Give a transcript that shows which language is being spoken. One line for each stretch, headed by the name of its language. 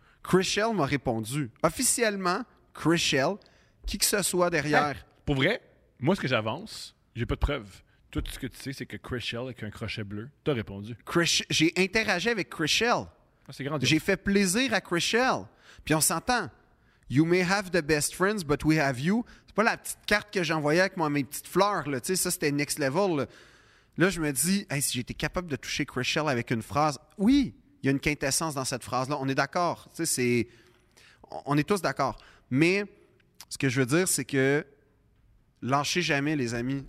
French: Chris Shell m'a répondu. Officiellement, Chris Shell, qui que ce soit derrière. Hey, pour vrai, moi, ce que j'avance, j'ai pas de preuves. Tout ce que tu sais, c'est que Chris Shell avec un crochet bleu, t'as répondu. J'ai interagi avec Chris Shell. Ah, c'est grandiose. J'ai fait plaisir à Chris Shell. Puis on s'entend.
English: You may have the best friends, but we have you.
French: C'est pas la petite carte que j'envoyais avec moi, mes petites fleurs. Là. Tu sais, ça, c'était next level. Là je me dis, hey, si j'étais capable de toucher Chris Shell avec une phrase, oui, il y a une quintessence dans cette phrase-là. On est d'accord. Tu sais, on est tous d'accord. Mais ce que je veux dire, c'est que lâchez jamais, les amis.